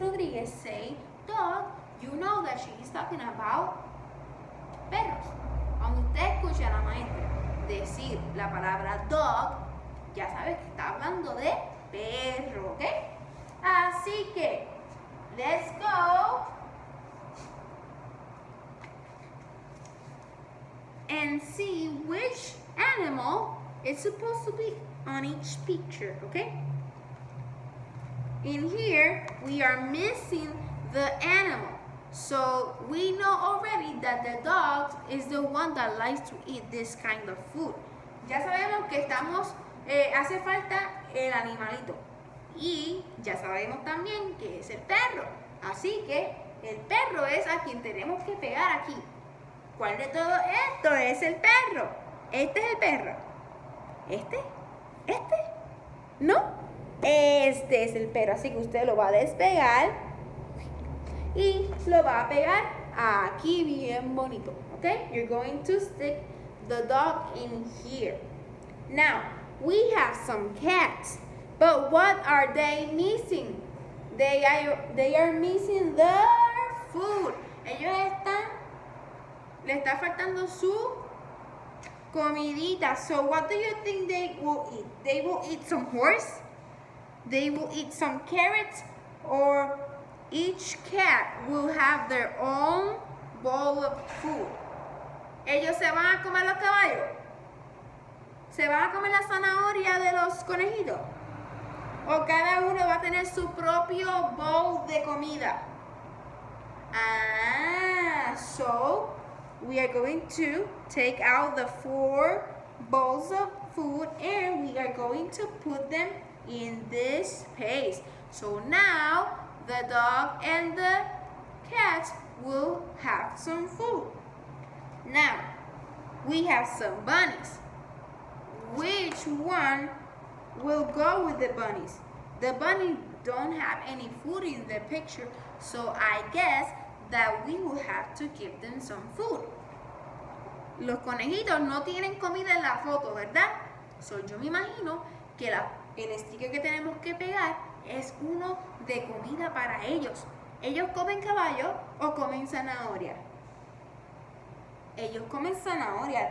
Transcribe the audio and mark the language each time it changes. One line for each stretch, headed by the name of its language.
English: Rodriguez say dog, you know that she is talking about perros.
Spanish: Cuando usted escucha a la maestra decir la palabra dog, ya sabes que está hablando de perro, ¿ok? Así que,
English: let's go. And see which animal is supposed to be on each picture,
Spanish: ¿ok?
English: In here, we are missing the animal. So we know already that the dog is the one that likes to eat this kind of food.
Spanish: Ya sabemos que estamos, hace falta el animalito. Y ya sabemos también que es el perro. Así que el perro es a quien tenemos que pegar aquí. ¿Cuál de todo esto es el perro? Este es el perro. ¿Este? ¿Este? ¿No? Este es el perro, así que usted lo va a despegar. Y lo va a pegar aquí bien bonito, okay?
English: You're going to stick the dog in here. Now, we have some cats, but what are they missing? They are missing their food.
Spanish: Ellos están, le está faltando su comidita.
English: So what do you think they will eat? They will eat some horse, they will eat some carrots, or each cat will have their own bowl of food.
Spanish: ¿Ellos se van a comer los caballos? ¿Se van a comer la zanahoria de los conejitos? ¿O cada uno va a tener su propio bowl de comida?
English: Ah, so we are going to take out the four bowls of food and we are going to put them in this space. So now, the dog and the cat will have some food. Now, we have some bunnies. Which one will go with the bunnies? The bunny don't have any food in the picture, so I guess that we will have to give them some food.
Spanish: Los conejitos no tienen comida en la foto, ¿verdad? So yo me imagino que el sticker que tenemos que pegar es uno de comida para ellos. ¿Ellos comen caballo o comen zanahoria? Ellos comen zanahoria.